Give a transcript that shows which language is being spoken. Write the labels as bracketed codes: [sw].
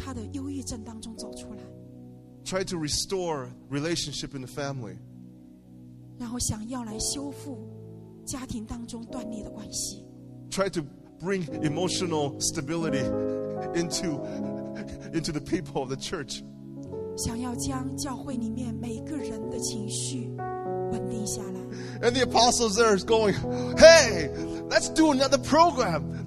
[zh] 那牧师在这个地方想要帮助一个人从他的忧郁症当中走出来。 [en] Try to restore relationship in the family. [zh] 然后想要来修复家庭当中断裂的关系。 [en] Try to bring emotional stability into the people of the church. [zh] 想要将教会里面每个人的情绪稳定下来。 [en] And the apostles there is going, hey, let's do another program.